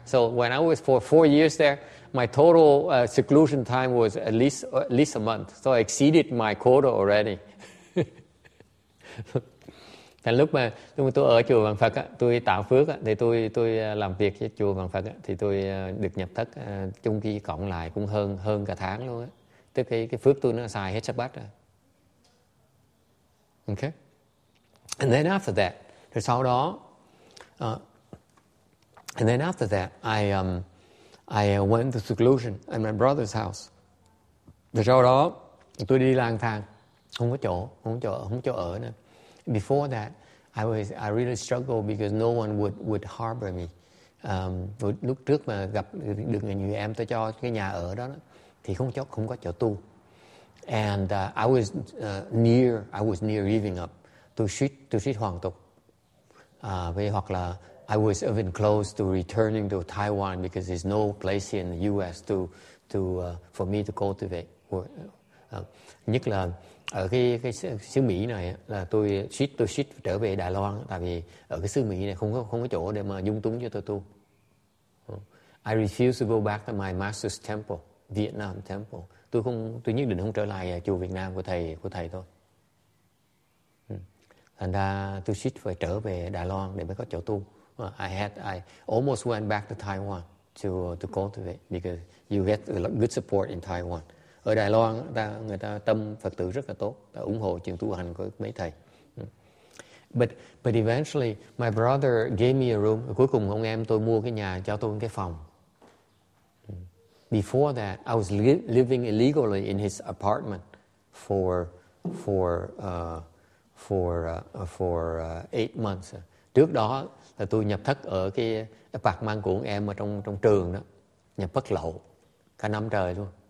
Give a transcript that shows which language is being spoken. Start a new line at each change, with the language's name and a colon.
English: So when I was for 4 years there, my total seclusion time was at least a month. So I exceeded my quota already.
Vietnamese: Thành lúc mà tôi ở chùa Vạn Phật á, tôi tạo phước á, thì tôi làm việc với chùa Vạn Phật á, thì tôi được nhập thất chung kỳ cộng lại cũng hơn cả tháng luôn á. Tức cái phước tôi nó xài hết sắp bát rồi. Okay.
English: And then after that,
Vietnamese: rồi sau đó,
English: and then after that, I went to seclusion at my brother's house.
Vietnamese: Rồi sau đó, tôi đi lang thang, không có chỗ ở nữa.
English: Before that, I really struggled because no one would harbor me.
Vietnamese: Lúc trước mà gặp được người em tôi cho cái nhà ở đó, thì không có chỗ tu.
English: And I was near giving up.
Vietnamese: Tôi suýt hoàn tục. Hoặc là
English: I was even close to returning to Taiwan because there's no place here in the US for me to cultivate.
Vietnamese: Nhất là ở cái xứ Mỹ này là tôi suýt trở về Đài Loan, tại vì ở cái xứ Mỹ này không có chỗ để mà dung túng cho tôi tu.
English: I refuse to go back to my master's temple. Vietnam temple.
Vietnamese: Tôi nhất định không trở lại chùa Việt Nam của thầy thôi. Thành ra tôi suýt phải trở về Đài Loan để mới có chỗ tu.
English: I almost went back to Taiwan to cultivate because you get a good support in Taiwan.
Vietnamese: Ở Đài Loan người ta tâm Phật tử rất là tốt, ta ủng hộ trường tu hành của mấy thầy.
English: But eventually my brother gave me a room.
Vietnamese: Cuối cùng ông em tôi mua cái nhà cho tôi một cái phòng.
English: Before that, I was living illegally in his apartment for 8 months.
Vietnamese: Trước đó là tôi nhập thất ở cái apartment của ông em ở trong trường đó, nhập bất lậu cả năm trời luôn.